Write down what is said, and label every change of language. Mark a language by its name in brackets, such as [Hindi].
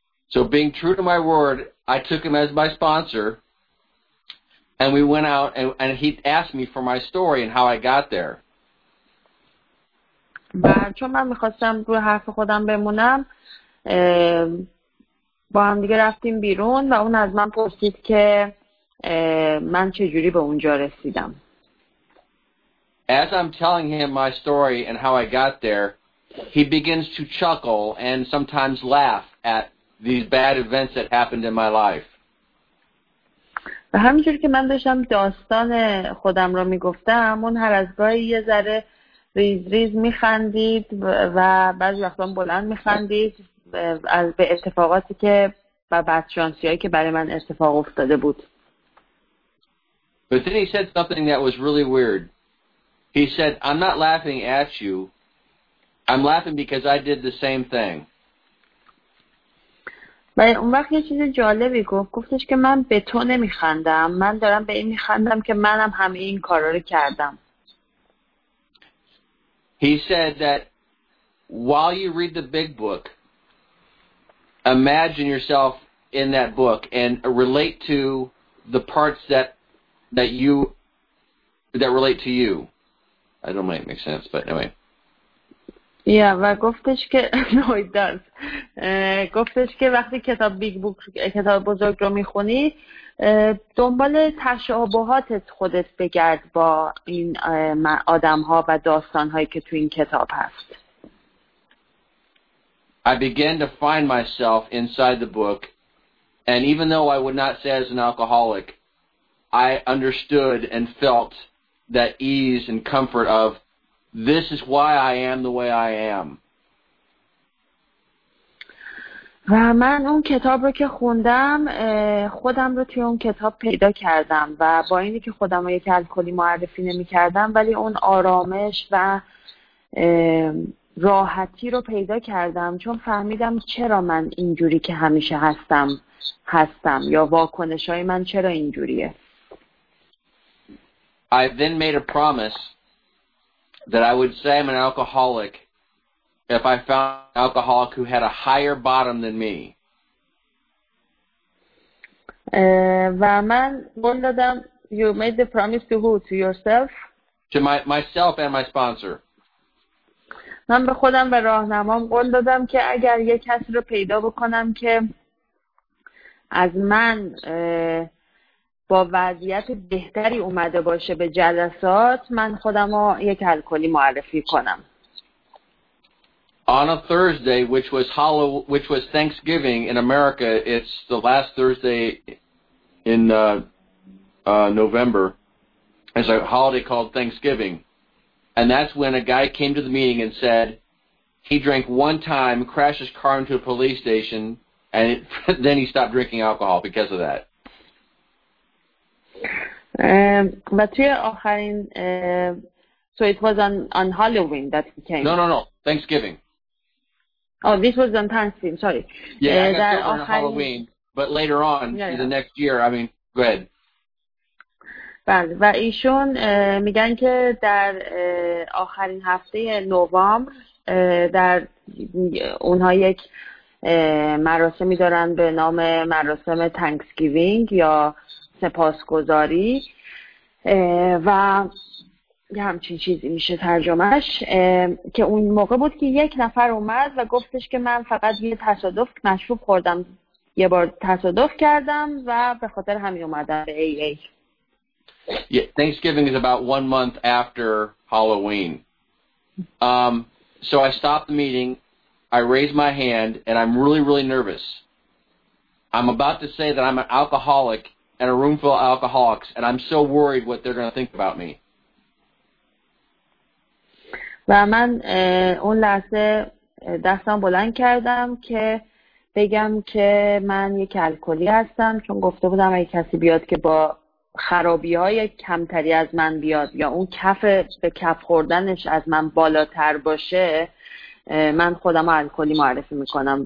[English] So being true to my word, I took him as my sponsor and we went out and he asked me for my story and how I got there. [Persian] و چون من میخواستم روی حرف خودم بمونم با هم دیگه رفتیم بیرون و اون از من پرسید که من چه جوری به اونجا رسیدم. [English] As I'm telling him my story and how I got there, he begins to chuckle and sometimes laugh at these bad events that happened in my life. [Persian] و همینجوری که من داشتم داستان خودم رو میگفتم، اون هر از گاهی یه ذره ریز ریز میخندید و بعضی وقتا بلند میخندید از به اتفاقاتی که و بدشانسی هایی که برای من اتفاق افتاده بود. [English] But then he said something that was really weird. He said, I'm not laughing at you. I'm laughing because I did the same thing. [Persian] و اون وقت یه چیز جالبی گفت. گفتش که من به تو نمیخندم. من دارم به این میخندم که منم همه این کارا رو کردم. [English] He said that while you read the big book, imagine yourself in that book and relate to the parts that relate to you. I don't know if it makes sense, but anyway. Yeah, [Persian] و گفتش که [English] no, it does. [Persian] گفتش که وقتی کتاب بیگ بوک کتاب بزرگ رو میخونی دنبال تشابهاتت خودت بگرد با این آدم ها و داستان هایی که تو این کتاب هست. [English] I began to find myself inside the book, and even though I would not say as an alcoholic, I understood and felt that ease and comfort of, this is why I am the way I am. [Persian] و من اون کتاب رو که خوندم خودم رو توی اون کتاب پیدا کردم و با اینی که خودم رو یک الکلی معرفی نمی کردم ولی اون آرامش و راحتی رو پیدا کردم چون فهمیدم چرا من اینجوری که همیشه هستم یا واکنش های من چرا اینجوریه. [English] I then made a promise that I would say I'm an alcoholic if I found an alcoholic who had a higher bottom than me. [Persian] و من قول دادم. [English] You made the promise to who? To yourself? To myself and my sponsor. [Persian] من به خودم و راهنمام قول دادم که اگر یک کسی رو پیدا بکنم که از من با وضعیت بهتری اومده باشه به جلسات، من خودم رو یک الکلی معرفی کنم. [English] On a Thursday, which was Thanksgiving in America, it's the last Thursday in November. It's a holiday called Thanksgiving. And that's when a guy came to the meeting and said he drank one time, crashed his car into a police station, and then he stopped drinking alcohol because of that. So it was on Halloween that he came. No. Thanksgiving. Oh, this was on Thanksgiving, sorry. Yeah, I got sober on Halloween, but later on, the next year, I mean, go ahead. [Persian] بله و ایشون میگن که در آخرین هفته نوامبر در اونها یک مراسمی دارن به نام مراسم تنکسگیوینگ یا سپاسگزاری و یه همچین چیزی میشه ترجمهش، که اون موقع بود که یک نفر اومد و گفتش که من فقط یه تصادف مشروب خوردم، یه بار تصادف کردم و به خاطر همین اومدم به AA. [English] Yeah, Thanksgiving is about 1 month after Halloween. So I stop the meeting, I raise my hand, and I'm really, really nervous. I'm about to say that I'm an alcoholic in a room full of alcoholics, and I'm so worried what they're going to think about me. [Persian] و من اون لحظه دستم بلند کردم که بگم که من یک الکلی هستم، چون گفته بودم اگه کسی بیاد که با خرابی های کمتری از من بیاد یا اون کف به کف خوردنش از من بالاتر باشه، من خودم الکلی معرفی میکنم.